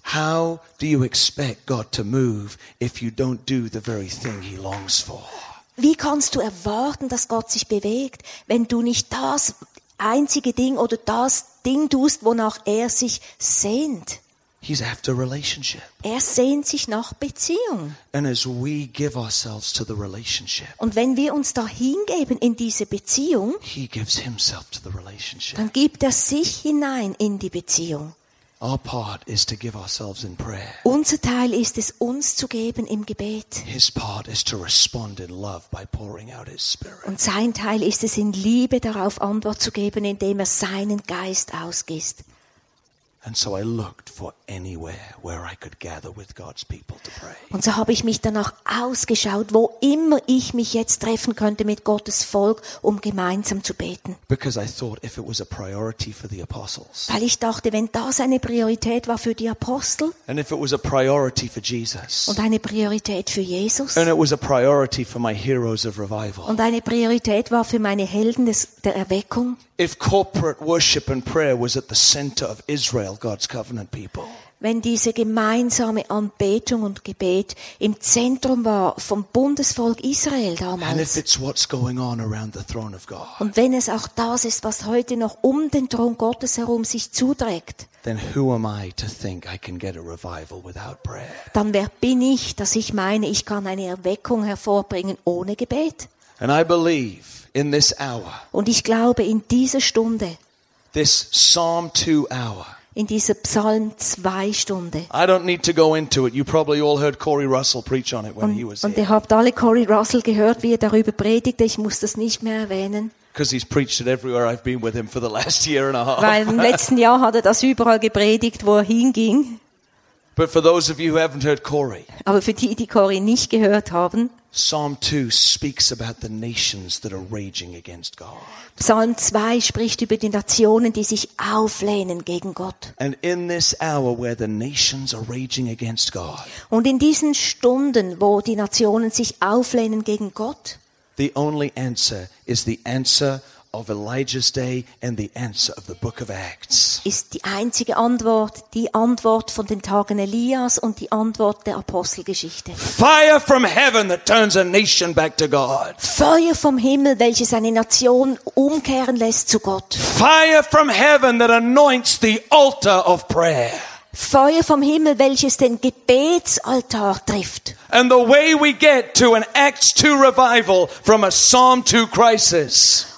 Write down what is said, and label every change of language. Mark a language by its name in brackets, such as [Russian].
[English] How do you expect God to move if you don't do the very thing he longs for? [German] Wie kannst du erwarten, dass Gott sich bewegt, wenn du nicht das einzige Ding oder das Ding tust, wonach er sich sehnt? [English] He's after relationship. [German] Er sehnt sich nach Beziehung. [English] And as we give ourselves to the relationship, [German] und wenn wir uns da hingeben in diese Beziehung, [English] he gives himself to the relationship. [German] Dann gibt er sich hinein in die Beziehung. [English] Our part is to give ourselves in prayer. [German] Unser Teil ist es, uns zu geben im Gebet. [English] His part is to respond in love by pouring out his spirit. [German] Und sein Teil ist es, in Liebe darauf Antwort zu geben, indem er seinen Geist ausgießt. [English] And so I looked for anywhere where I could gather with God's people to pray. [German] Und so habe ich mich danach ausgeschaut, wo immer ich mich jetzt treffen könnte mit Gottes Volk, um gemeinsam zu beten. [English] Because I thought if it was a priority for the apostles. [German] Weil ich dachte, wenn das eine Priorität war für die Apostel. [English] And if it was a priority for Jesus. [German] Und eine Priorität für Jesus. [English] And it was a priority for my heroes of revival. [German] Und eine Priorität war für meine Helden der Erweckung. [English] If corporate worship and prayer was at the center of Israel, God's covenant people. [German] Wenn diese gemeinsame Anbetung und Gebet im Zentrum war vom Bundesvolk Israel damals. [English] And if it's what's going on around the throne of God. [German] Und wenn es auch das ist, was heute noch um den Thron Gottes herum sich zuträgt. [English] Then who am I to think I can get a revival without prayer? [German] Dann wer bin ich, dass ich meine, ich kann eine Erweckung hervorbringen ohne Gebet? [English] And I believe in this hour. [German] Und ich glaube in dieser Stunde. [English] This Psalm 2 hour. [German] In dieser Psalm 2 Stunde. [English] I don't need to go into it. You probably all heard Corey Russell preach on it when he was here. [German] Und ihr habt alle Corey Russell gehört, wie er darüber predigte. Ich muss das nicht mehr erwähnen. [English] Because he's preached it everywhere I've been with him for the last year and a half. [German] Weil im letzten Jahr hat er das überall gepredigt, wo er hinging. [English] But for those of you who haven't heard Corey. [German] Aber für die, die Corey nicht gehört haben. [English] Psalm 2 speaks about the nations that are raging against God. [German] Psalm 2 spricht über die Nationen, die sich auflehnen gegen Gott. [English] And in this hour where the nations are raging against God. [German] Und in diesen Stunden, wo die Nationen sich auflehnen gegen Gott. [English] The only answer is the answer of Elijah's day and the answer of the book of Acts. [German] Ist die einzige Antwort, die Antwort von den Tagen Elias und die Antwort der Apostelgeschichte. [English] Fire from heaven that turns a nation back to God. [German] Feuer vom Himmel, welches eine Nation umkehren lässt zu Gott. [English] Fire from heaven that anoints the altar of prayer. [German] Feuer vom Himmel, welches den Gebetsaltar trifft. [English] And the way we get to an Acts 2 revival from a Psalm 2 crisis.